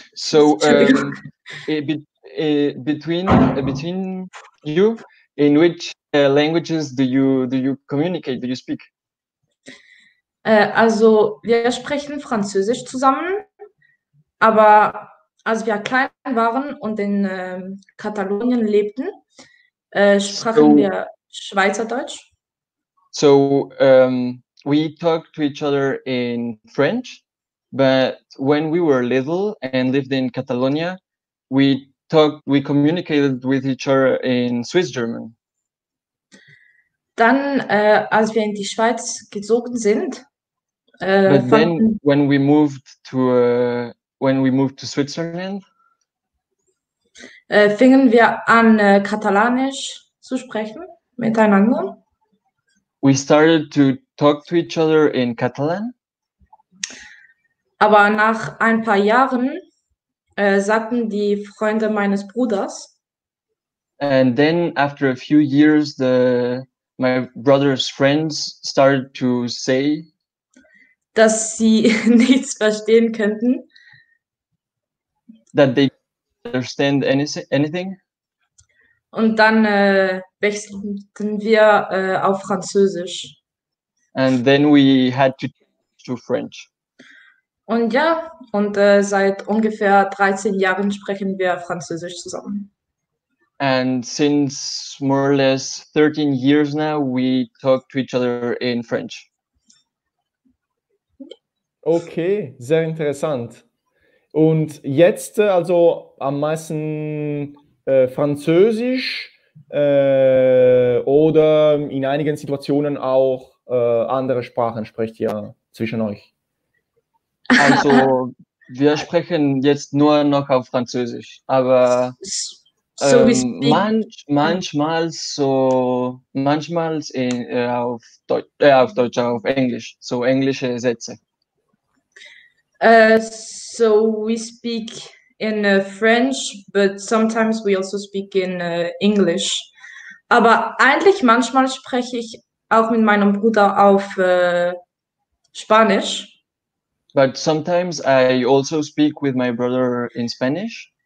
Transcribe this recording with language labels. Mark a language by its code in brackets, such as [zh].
[en] So between you, in which languages do you communicate? Do you speak? [de] Also wir sprechen Französisch zusammen, aber als wir klein waren und in Katalonien lebten, sprachen so, wir Schweizerdeutsch. [en] So we talk to each other in French, but when we were little and lived in Catalonia, we communicated with each other in Swiss German. [de] Dann, als wir in die Schweiz gezogen sind. [en] But then, when we moved to Switzerland, [de] fingen wir an Katalanisch zu sprechen miteinander. [en] We started to talk to each other in Catalan. [de] Aber nach ein paar Jahren sagten die Freunde meines Bruders. [en] And then after a few years, my brother's friends started to say. [de] Dass sie nichts verstehen könnten. [en] That they understand anything. [de] Und dann wechselten wir auf Französisch. [en] And then we had to change to French. [de] Und ja, und seit ungefähr 13 Jahren sprechen wir Französisch zusammen. [en] And since more or less 13 years now, we talk to each other in French. [de] Okay, sehr interessant. Und jetzt also am meisten Französisch oder in einigen Situationen auch andere Sprachen spricht ihr zwischen euch? Also wir sprechen jetzt nur noch auf Französisch, aber auf Englisch, so englische Sätze. [en] So we speak in French, but sometimes we also speak in English. [de] Aber eigentlich manchmal spreche ich auch mit meinem Bruder auf Spanisch. [en] But sometimes I also speak with my brother in Spanish.